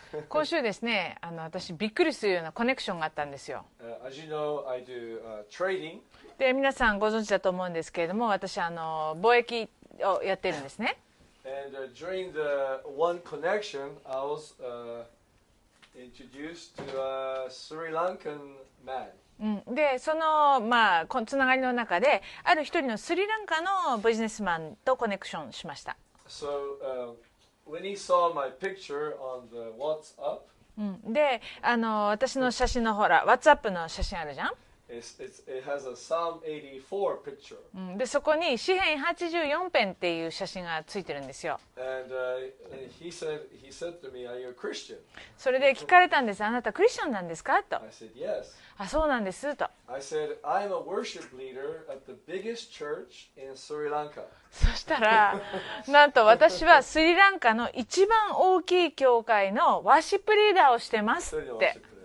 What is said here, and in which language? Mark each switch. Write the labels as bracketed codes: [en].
[ja] 今週ですね、私びっくりするようなコネクションがあったんですよ。 [en] As you know, I do trading. [ja] で、皆さんご存知だと思うんですけれども、私貿易をやってるんですね。 [en] And during the one connection, I was introduced to a Sri Lankan man. [ja] で、その、つながりの中で、ある一人のスリランカのビジネスマンとコネクションしました。 [en] So, when he saw my picture on the WhatsApp, [ja] で、私の写真のほら、WhatsApp の写真あるじゃん。 [en] It has a Psalm 84 picture. [ja] で、そこに詩編84編っていう写真がついてるんですよ。 [en] And, he said to me, "Are you a Christian?" [ja] それで聞かれたんです。あなたクリスチャンなんですかと。 [en] I said, "Yes." [ja] あ、そうなんですと。 [en] I said, "I'm a worship leader at the biggest church in Sri Lanka." [ja] そしたら、なんと私はスリランカの一番大きい教会のワーシップリーダーをしてますって。